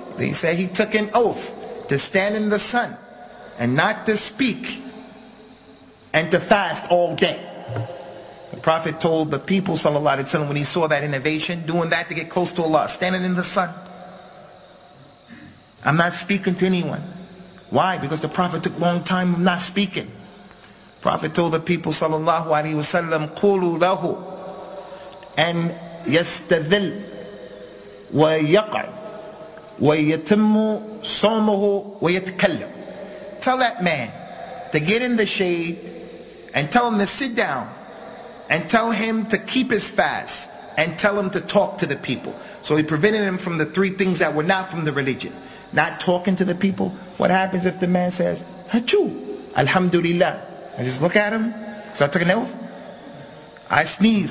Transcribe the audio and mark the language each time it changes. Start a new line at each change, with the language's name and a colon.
English: They said, he took an oath to stand in the sun and not to speak and to fast all day. The Prophet told the people, sallallahu alaihi wasallam, when he saw that innovation, doing that to get close to Allah, standing in the sun. I'm not speaking to anyone. Why? Because the Prophet took a long time of not speaking. Prophet told the people,
Arabic: sallallahu alaihi wasallam, قُولُوا لَهُ أَنْ يَسْتَذِلْ وَيَقْعَدْ وَيَتِمُّ صَوْمُهُ وَيَتَكَلَّمُ.
English: Tell that man to get in the shade and tell him to sit down and tell him to keep his fast and tell him to talk to the people. So he prevented him from the three things that were not from the religion. Not talking to the people. What happens if the man says, Hachoo, Alhamdulillah. I just look at him. So I took an oath. I sneeze.